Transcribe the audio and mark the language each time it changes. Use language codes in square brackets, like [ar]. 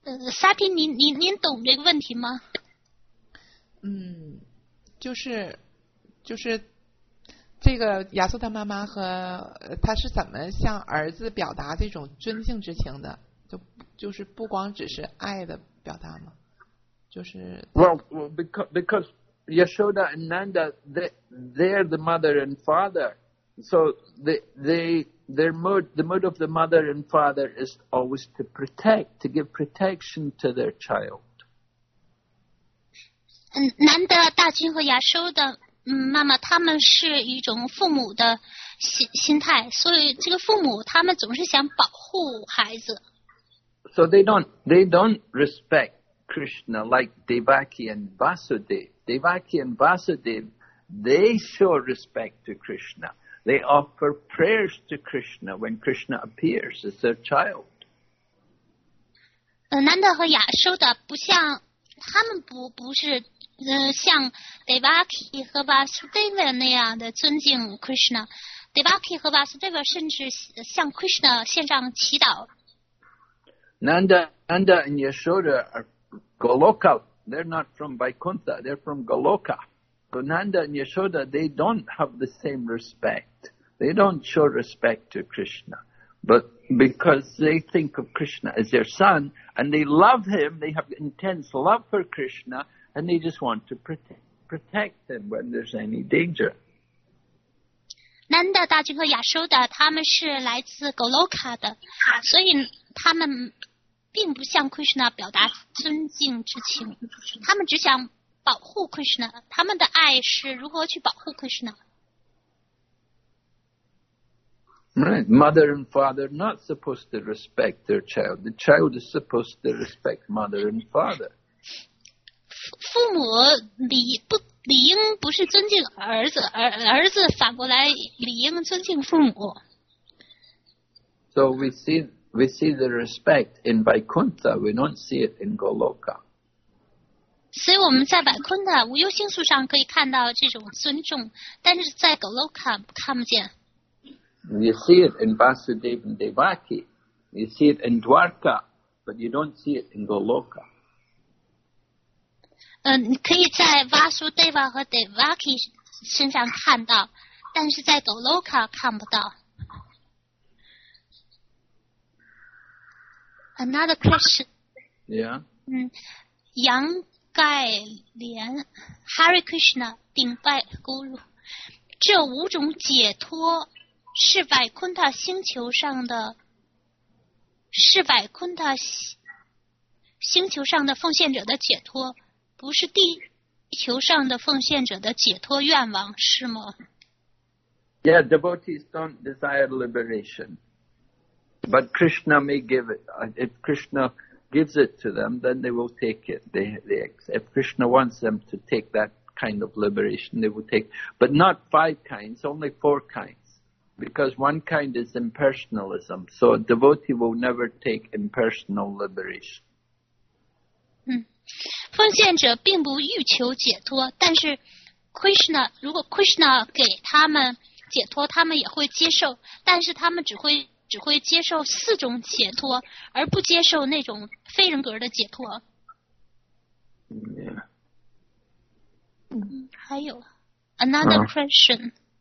[zh] Sati, 您懂这个问题吗？就是这个亚苏他妈妈和他是怎么向儿子表达这种尊敬之情的？就是不光只是爱的表达吗？ [en] Well, because Yashoda and Nanda, they're the mother and father, so the mood of the mother and father is always to protect, to give protection to their child. [zh] Nanda 大君和 Yashoda 妈妈，他们是一种父母的心态，所以这个父母他们总是想保护孩子。 [en] So they don't respect. Krishna, like Devaki and Vasudev. Devaki and Vasudev, they show respect to Krishna. They offer prayers to Krishna when Krishna appears as their child. [zh] Nanda 和 Yashoda 不像，他们不是像 Devaki 和 Vasudev 那样的尊敬 Krishna. Devaki 和 Vasudev 甚至向 Krishna 献上祈祷。 [en] Nanda and Yashoda are. Goloka, they're not from Vaikuntha, they're from Goloka. So Nanda and Yashoda, they don't have the same respect. They don't show respect to Krishna. But because they think of Krishna as their son, and they love him, they have intense love for Krishna, and they just want to protect him when there's any danger. [zh] Nanda 大君和 Yashoda, 他们是来自 Goloka 的，所以他们并不向 Krishna 表达尊敬之情，他们只想保护 Krishna， 他们的爱是如何去保护 Krishna。 [en] Right, mother and father not supposed to respect their child. The child is supposed to respect mother and father. [zh] 父母 理, 不, 理应不是尊敬儿子，儿子反过来理应尊敬父母。 [en] So we see the respect in Vaikuntha, we don't see it in Goloka. [zh] 所以我们在 Vaikuntha 无忧心树上可以看到这种尊重，但是在 Goloka 看不见。 [en] You see it in Vasudeva and Devaki, you see it in Dwarka, but you don't see it in Goloka. [zh] 嗯，可以在 Vasudeva 和 Devaki 身上看到，但是在 Goloka 看不到。 [en] Another question. Yeah. [zh] 嗯，杨盖莲 ，Hare Krishna， 顶拜 Guru， 这五种解脱是百昆塔星球上的，是百昆塔星球上的奉献者的解脱。不是地球上的奉献者的解脱愿望，是吗？ [en] Yeah, devotees don't desire liberation. But Krishna may give it. If Krishna gives it to them, then they will take it. If Krishna wants them to take that kind of liberation, they will take it. But not five kinds, only four kinds. Because one kind is impersonalism. So a devotee will never take impersonal liberation. [zh] 嗯。奉献者并不欲求解脱，但是 Krishna 如果 Krishna 给他们解脱，他们也会接受，但是他们只会接受四种解脱，而不接受那种非人格的解脱。 [en] Yeah. [zh] 嗯，还有 [en] another question.